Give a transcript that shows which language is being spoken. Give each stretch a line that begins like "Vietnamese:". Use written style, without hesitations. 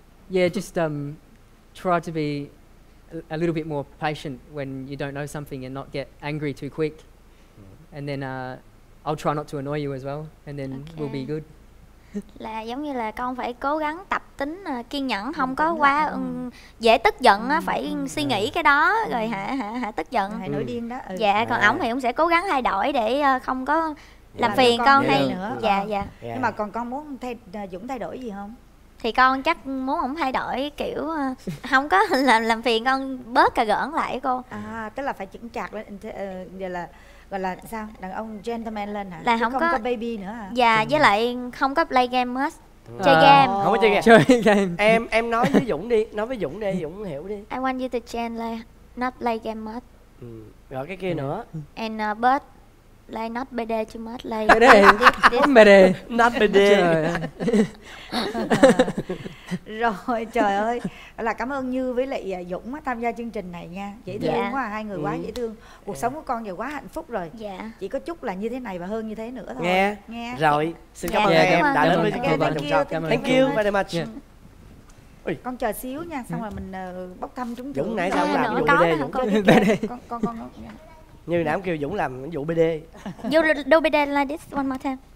English: Yeah, just try to be a little bit more patient when you don't know something and not get angry too quick. And then I'll try not to annoy you as well, and then okay. We'll be good.
Vietnamese: Là giống như là con phải cố gắng tập tính kiên nhẫn, không có quá dễ tức giận á, phải suy nghĩ cái đó rồi hả tức giận. Hãy nổi điên đó. Dạ, còn ổng thì ổng sẽ cố gắng thay đổi để không có làm là phiền con hay nữa. Dạ dạ. Nhưng mà còn con muốn Dũng thay đổi gì không? Thì con chắc muốn ổng thay đổi kiểu không có làm phiền con, bớt cà gỡn lại con. Tức là phải chững chạc lên, gọi là sao, đàn ông gentleman lên hả? Là không có baby nữa hả? Dạ, với lại không có
English: play game
Vietnamese: hết. Chơi game. Không có chơi game. Chơi game. Em nói với Dũng đi, Dũng hiểu đi.
English: I want you to change like not play game much.
Vietnamese: Rồi cái kia nữa.
English: And but like not bad too much like. Bad. Not bad.
Vietnamese: Rồi trời ơi. Là cảm ơn Như với lại Dũng tham gia chương trình này nha. Dễ thương quá, hai người quá dễ thương. Cuộc sống của con giờ quá hạnh phúc rồi. Chỉ có chút là như thế này và hơn như thế nữa thôi. Nghe. Rồi, xin cảm ơn em đã đến với chương trình.
English: Thank you very much.
Vietnamese: Ôi. Con chờ xíu nha, xong rồi mình bốc thăm chúng Dũng nãy sao làm vụ BD. Con Như nãy kêu Dũng làm vụ BD.
English: You do BD like this one more time.